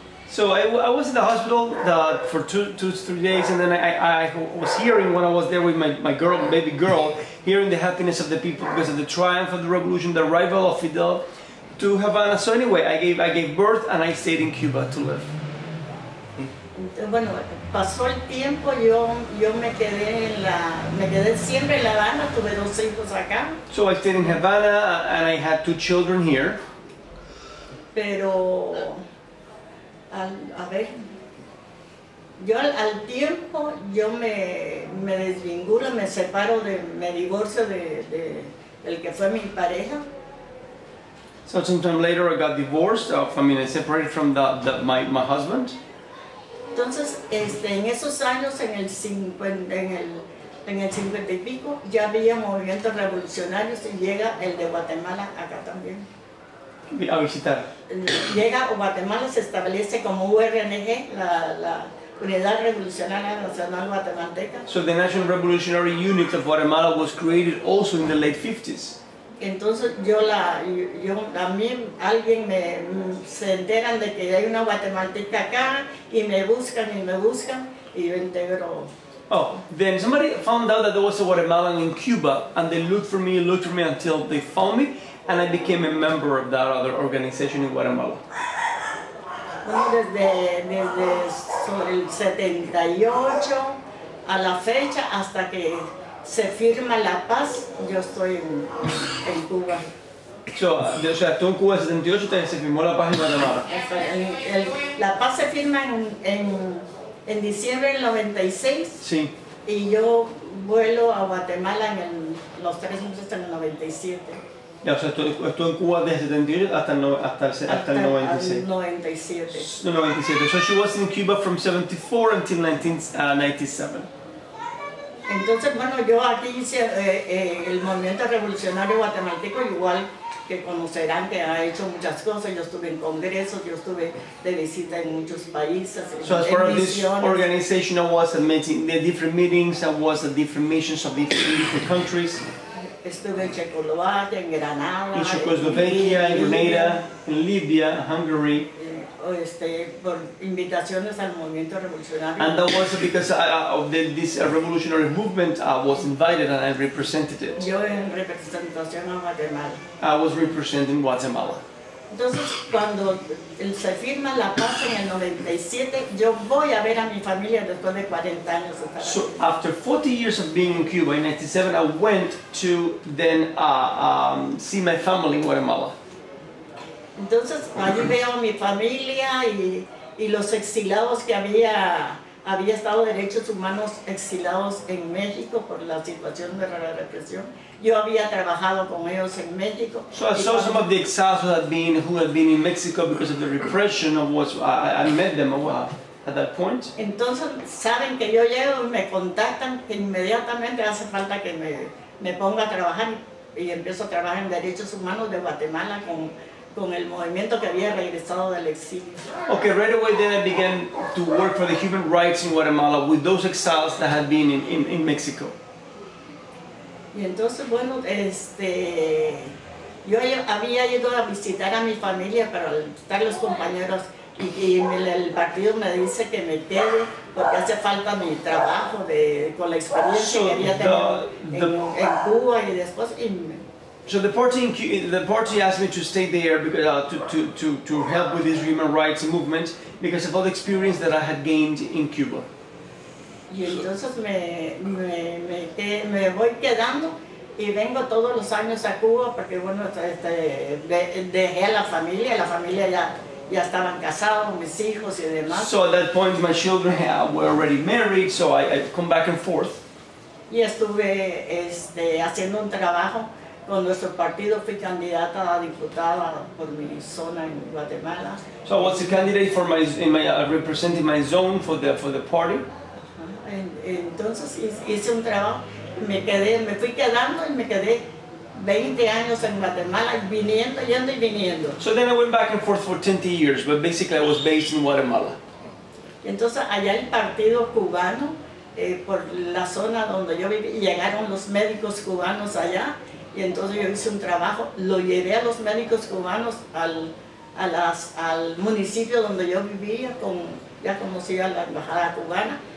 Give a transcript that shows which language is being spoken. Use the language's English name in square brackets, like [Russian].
[English] So I was in the hospital for two, three days, and then I was hearing when I was there with my girl, baby girl, hearing the happiness of the people because of the triumph of the revolution, the arrival of Fidel to Havana. So anyway, I gave birth and I stayed in Cuba to live. [Spanish] Bueno, pasó el tiempo, yo me quedé siempre en La Habana, tuve dos hijos acá. [English] So I stayed in Havana and I had two children here. [Spanish] Pero, al tiempo yo me desvinculo, me separo, me divorcio de el que fue mi pareja. [English] So sometime later I got divorced, I separated from my husband. [Spanish] Entonces, en esos años, en el 50 y pico, ya había movimientos revolucionarios y llega el de Guatemala acá también. A visitar. Llega a Guatemala, se establece como URNG, la Unidad Revolucionaria Nacional Guatemalteca. [English] So the National Revolutionary Unit of Guatemala was created also in the late 50s. [Spanish] Entonces a mí alguien se enteran de que hay una guatemalteca acá y me buscan y yo integro. [English] Oh, then somebody found out that there was a Guatemalan in Cuba and they looked for me until they found me. And I became a member of that other organization in Guatemala. [Spanish] Desde el 78 a la fecha hasta que se firma la paz, yo estoy en Cuba. O sea, tú en Cuba en 78 te se firmó la paz en Guatemala. La paz se firma en diciembre del 96. Sí. Y yo vuelo a Guatemala en los 3 meses en el 97. Ya, o sea, estuvo en Cuba desde 78 hasta el 97. El 97. [English] So she was in Cuba from 74 until 1997. [Spanish] Entonces, bueno, yo aquí hice el movimiento revolucionario guatemalteco, igual que conocerán que ha hecho muchas cosas. Yo estuve en congresos, yo estuve de visita en muchos países. [English] So as part of this organization, I was admitting the different meetings, I was at different missions of different countries. [Spanish] Estuve en Checoslovaquia, en Granada, en Yugoslavia, en Grenada, en Libia, Hungary. por invitaciones al movimiento revolucionario. [English] And that was because this revolutionary movement was invited and I represented it. [Spanish] Yo en representación a Guatemala. [English] I was representing Guatemala. [Spanish] Entonces, cuando se firma la paz en el 97, yo voy a ver a mi familia después de 40 años. [English] So, after 40 years of being in Cuba, in 97, I went to then see my family in Guatemala. [Spanish] Entonces, ahí veo a mi familia y los exilados que había estado derechos humanos exilados en México por la situación de la represión. Yo había trabajado con ellos en México. [English] So I saw some of the exiles who had been in Mexico because of the repression of what I met them at that point. [Spanish] Entonces saben que yo llego, me contactan inmediatamente, hace falta que me ponga a trabajar y empiezo a trabajar en derechos humanos de Guatemala con el movimiento que había regresado del exilio. [English] Okay, right away then I began to work for the human rights in Guatemala with those exiles that had been in Mexico. [Spanish] Y entonces, bueno, yo había ido a visitar a mi familia, pero al estar los compañeros, y el partido me dice que me quede, porque hace falta mi trabajo con la experiencia que había tenido en Cuba y después. [English] So the party asked me to stay there because to help with this human rights movement because of all the experience that I had gained in Cuba. [Spanish] Y entonces me voy quedando y vengo todos los años a Cuba porque bueno dejé a la familia ya estaban casados mis hijos y demás. [English] So at that point my children were already married, so I come back and forth. [Spanish] Y estuve haciendo un trabajo con nuestro partido, fui candidata a diputada por mi zona en Guatemala. [English] So I was a candidate for representing my zone for the party. [Spanish] Entonces hice un trabajo, me fui quedando y me quedé 20 años en Guatemala, yendo y viniendo. [English] So then I went back and forth for 20 years, but basically I was based in Guatemala. [Spanish] Entonces allá el partido cubano, por la zona donde yo viví, llegaron los médicos cubanos allá, y entonces yo hice un trabajo, lo llevé a los médicos cubanos al municipio donde yo vivía, ya conocía la embajada cubana.